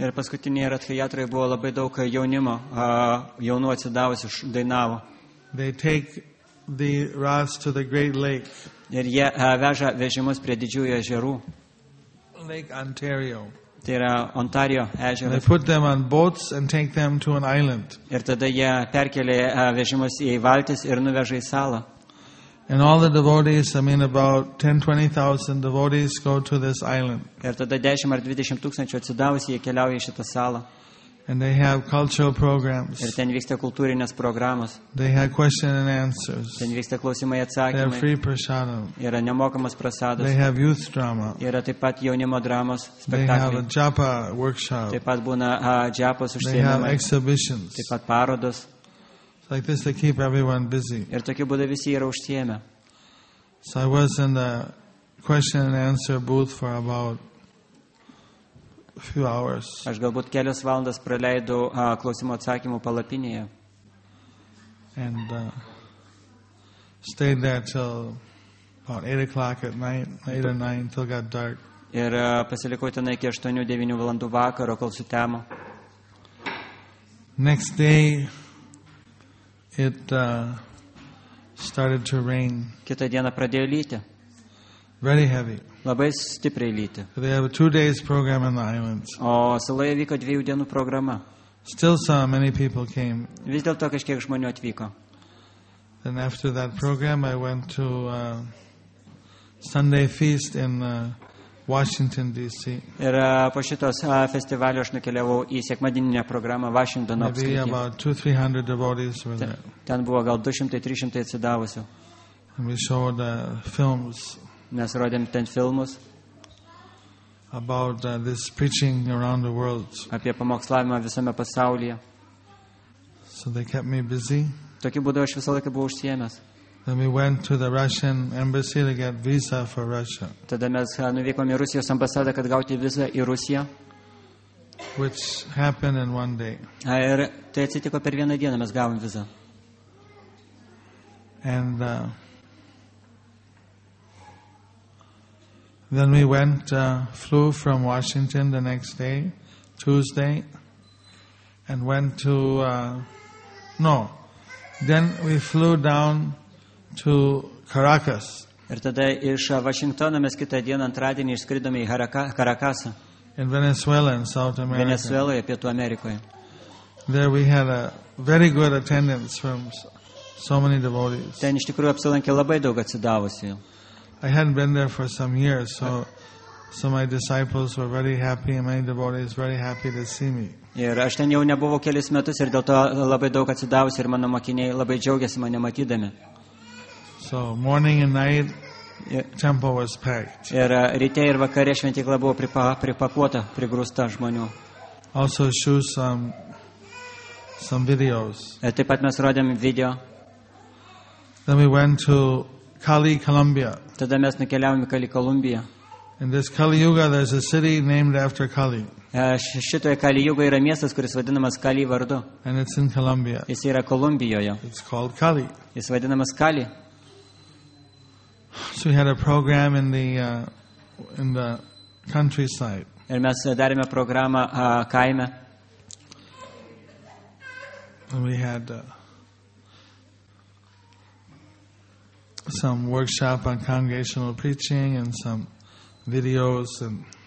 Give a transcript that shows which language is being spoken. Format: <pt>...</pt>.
<lt>Ir paskutinėje ratchayatroje buvo labai daug jaunimo, jaunų atsidavusių dainavo.</lt> <en>They take the raths to the great lake.</en> <lt>Ir jie veža vežimus prie didžiųjų ežerų.</lt> <en>Lake Ontario.</en> <lt>Tai yra Ontario ežeras.</lt> <en>They put them on boats and take them to an island.</en> <lt>Ir tada jie perkelia vežimus į valtis ir nuveža į salą.</lt> <en>And all the devotees, I mean about 10-20,000 devotees go to this island.</en> <lt>Ir tada 10 ar 20,000 atsidavusieji keliauja į šitą salą.</lt> <en>And they have cultural programs.</en> <lt>Ir ten vyksta kultūrinės programos.</lt> <en>They have questions and answers.</en> <lt>Ten vyksta klausimai atsakymai.</lt> <en>They have free prasadam.</en> <lt>Yra nemokamas prasadas.</lt> <en>They have youth drama.</en> <lt>Yra taip pat jaunimo dramos spektakliai.</lt> <en>They have a japa workshop.</en> <lt>Taip pat būna japos užsiėmimai.</lt> <en>They have exhibitions.</en> <lt>Taip pat parodos.</lt> <en>Like this, they keep everyone busy.</en> <lt>Ir tokiu būdu visi yra užsiėmę.</lt> <en>So I was in the question and answer booth for about a few hours.</en> <lt>Aš galbūt kelias valandas praleidau klausimų atsakymų palapinėje.</lt> <en>And stayed there till about 8 o'clock at night, 8 or 9, till got dark.</en> <lt>Ir pasilikau tenai iki 8-9 valandų vakaro, kol sutemo.</lt> <en>Next day. It started to rain.</en> <lt>Kita diena pradėjo lyti.</lt> <en>Very heavy.</en> <lt>Labai stipriai lyti.</lt> <en>They have a 2 days program in the islands.</en> <lt>O saloje vyko 2 dienų programa.</lt> <en>Still saw many people came.</en> <lt>Vis dėlto kažkiek žmonių atvyko.</lt> <en>Then after that program I went to Sunday feast in Washington D.C.</en> <lt>Ir po šitos festivalio aš nukeliavau į sekmadieninę programą Vašingtono apskrityje.</lt> <en>Maybe about 200-300 devotees were there.</en> <lt>Ten buvo gal 200-300 atsidavusių.</lt> <en>And we showed films.</en> <lt>Mes rodėm ten filmus.</lt> <en>About this preaching around the world.</en> <lt>Apie pamokslavimą visame pasaulyje.</lt> <en>So they kept me busy.</en> <lt>Tokiu būdu aš visą laiką buvau užsiėmęs.</lt> <en>Then we went to the Russian embassy to get visa for Russia.</en> <lt>Tada mes nuvykome į Rusijos ambasadą, kad gauti vizą į Rusiją.</lt> <en>Which happened in one day.</en> <lt>Ir tai atsitiko per vieną dieną, mes gavom vizą.</lt> <en>And then we went, flew from Washington the next day, Tuesday, and went to, then we flew down to Caracas.</en> <lt>Ir tada iš Vašingtono mes kitą dieną antradienį išskridome į Caracasą.</lt> <en>In Venezuela, in South America.</en> <lt>Venezueloje, Pietų Amerikoje.</lt> <en>There we had a very good attendance from so many devotees.</en> <lt>Ten iš tikrųjų apsilankė labai daug atsidavusių.</lt> <en>I hadn't been there for some years, so my disciples were very happy and many devotees very happy to see me.</en> <lt>Ir aš ten jau nebuvau kelis metus ir dėl to labai daug atsidavusių ir mano mokiniai labai džiaugiasi mane matydami.</lt> <en>So morning and night temple was packed.</en> <lt>Ir ryte ir vakare šventykla buvo pripakuota, prigrūsta žmonių.</lt> <en>Also show some videos.</en> <lt>Taip pat mes rodėm video.</lt> <en>Then we went to Cali, Colombia.</en> <lt>Tada mes nukeliavome į Cali, Kolumbiją.</lt> <en>In this Kali Yuga there's a city named after Kali.</en> <lt>Šitoje Kali Yuga yra miestas, kuris vadinamas Kali vardu.</lt> <en>And it's in Colombia.</en> <lt>Jis yra Kolumbijoje.</lt> <en>It's called Kali.</en> <lt>Jis vadinamas Kali.</lt> <en>So we had a program in the countryside.</en> <lt>Ir mes darėme programą kaime.</lt> <en>And we had some workshop on congregational preaching and some videos and</en>